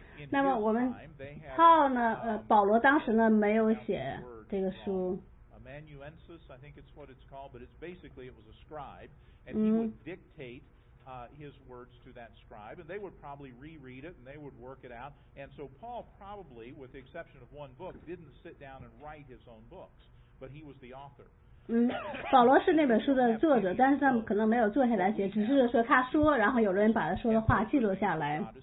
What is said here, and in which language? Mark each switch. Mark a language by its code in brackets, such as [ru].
[zh] 那么我们Paul呢保罗当时呢没有写这个书。 [en] Amanuensis, I think it's what it's called, but it's basically it was a scribe, and he would dictate. His words to that scribe, and they would probably reread it and they would work it out. And so Paul probably, with the exception of one book, didn't sit down and write his own books, but he was the author. [zh] 保罗是那本书的作者，但是他们可能没有坐下来写，只是说他说，然后有人把他说的话记录下来。